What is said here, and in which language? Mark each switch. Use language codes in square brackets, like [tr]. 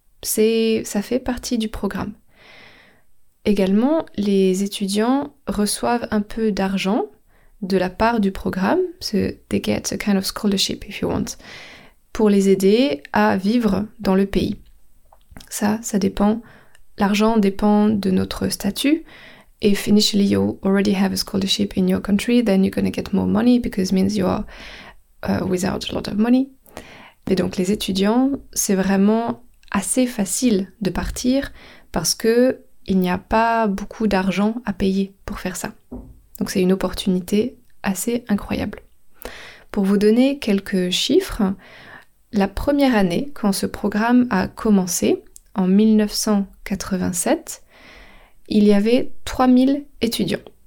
[fr] Ça fait partie du programme. Également, les étudiants reçoivent un peu d'argent de la part du programme, [en] so they get a kind of scholarship if you want, [fr] pour les aider à vivre dans le pays. Ça dépend. L'argent dépend de notre statut. [en] If initially you already have a scholarship in your country, then you're going to get more money because it means you are without a lot of money. [fr] Et donc les étudiants, c'est vraiment assez facile de partir parce qu'il n'y a pas beaucoup d'argent à payer pour faire ça. Donc c'est une opportunité assez incroyable. Pour vous donner quelques chiffres, la première année quand ce programme a commencé, en 1987, il y avait 3000 étudiants.